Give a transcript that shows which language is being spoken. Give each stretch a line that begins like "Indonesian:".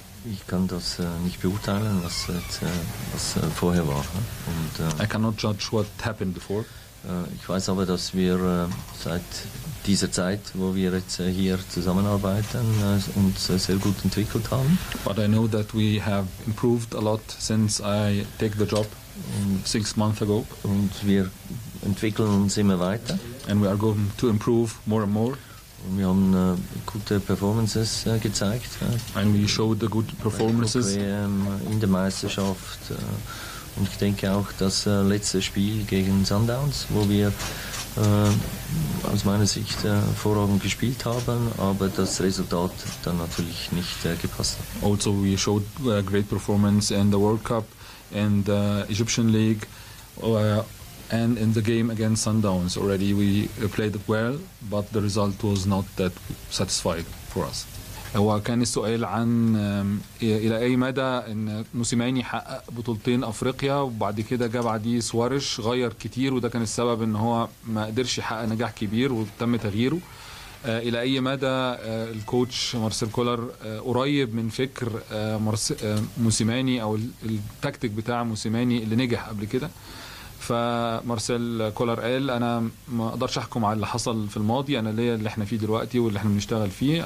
German: Ich kann das nicht beurteilen, was jetzt, was vorher war.
English: Und, I cannot judge what happened before.
German: Ich weiß aber, dass wir seit dieser Zeit, wo wir jetzt hier zusammenarbeiten, uns sehr gut entwickelt haben.
English: But I know that we have improved a lot since I take the job six months ago.
German: Und wir entwickeln uns immer weiter.
English: And we are going to improve more and more.
German: Und wir haben gute Performances gezeigt.
English: And we showed the good performances.
German: In der Meisterschaft. Und ich denke auch, das letzte Spiel gegen Sundowns, wo wir aus meiner Sicht hervorragend gespielt haben, aber das Resultat dann natürlich nicht gepasst hat.
English: Also we showed a great performance in the World Cup, in the Egyptian League, and in the game against Sundowns already. We played well, but the result was not that satisfied for us.
Arabic: هو كان السؤال عن إلى أي مدى إن موسيماني حقق بطولتين أفريقيا وبعد كده جاب عدي سوارش غير كتير، وده كان السبب إن هو ما قدرش يحقق نجاح كبير وتم تغييره. إلى أي مدى الكوتش مارسيل كولر قريب من فكر موسيماني أو التكتيك بتاع موسيماني اللي نجح قبل كده؟ فمارسيل كولر قال انا ما اقدرش احكم على اللي حصل في الماضي، انا ليا اللي احنا فيه دلوقتي واللي احنا بنشتغل فيه.